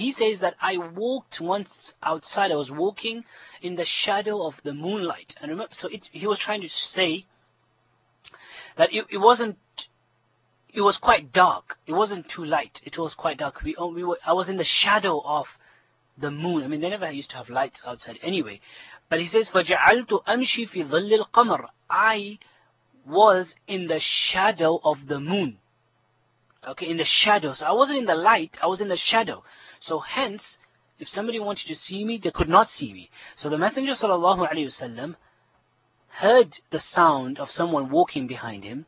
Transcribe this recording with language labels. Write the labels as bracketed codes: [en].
[en] He says that I walked once outside, I was walking in the shadow of the moonlight. And remember, so he was trying to say that it was quite dark. It wasn't too light. It was quite dark. I was in the shadow of the moon. I mean, they never used to have lights outside anyway. But he says, [ar] فَجَعَلْتُ أَمْشِي فِي ظَلِّ الْقَمَرِ. [en] I was in the shadow of the moon. Okay, in the shadow. So I wasn't in the light, I was in the shadow. So hence, if somebody wanted to see me, they could not see me. So the Messenger sallallahu alayhi wasallam heard the sound of someone walking behind him.